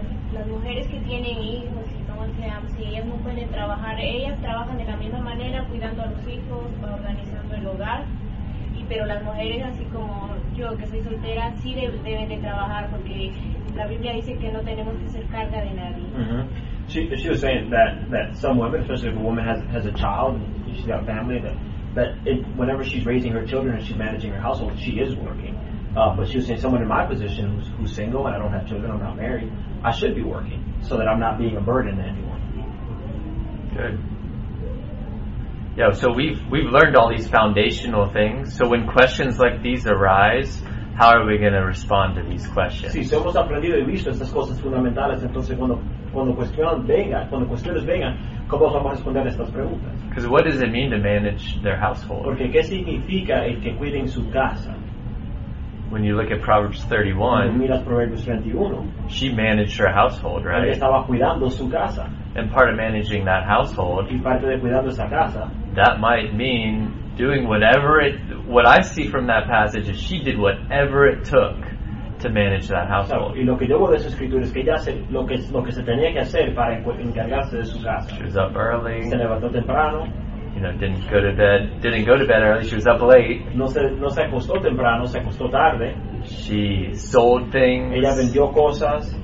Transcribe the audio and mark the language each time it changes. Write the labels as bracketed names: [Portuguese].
[Spanish] Las mujeres que tienen hijos, si ellas no pueden trabajar, ellas trabajan de la misma manera, cuidando a los hijos, organizando el hogar. Y pero las mujeres, así como yo que soy soltera, sí deben de trabajar porque la Biblia dice que no tenemos que ser carga de nadie. [English] She was saying that some women, especially if a woman has a child and she's got a family, that whenever she's raising her children and she's managing her household, she is working. But she was saying someone in my position who's single and I don't have children, I'm not married, I should be working so that I'm not being a burden to anyone. Good. Yeah, so we've learned all these foundational things. So when questions like these arise, how are we going to respond to these questions? [Spanish] Sí, hemos aprendido y visto estas cosas fundamentales. Entonces, cuando cuestiones vengan, ¿cómo vamos a responder a estas preguntas? [English] Because what does it mean to manage their household? [Spanish] Porque qué significa el que cuiden su casa? [English] When you look at Proverbs 31, [Spanish] miras Proverbios 31, [English] she managed her household, right? [Spanish] Ella estaba cuidando su casa. [English] And part of managing that household, [Spanish] y parte de cuidando esa casa, [English] that might mean doing whatever it. What I see from that passage is she did whatever it took to manage that household. [Spanish] Y lo que yo veo de esa escritura es que ella hace lo que se tenía que hacer para encargarse de su casa. [English] She was up early. [Spanish] Se levantó temprano. [English] You know, didn't go to bed early. She was up late. [Spanish] No se acostó temprano. Se acostó tarde. [English] She sold things. [Spanish] Ella vendió cosas.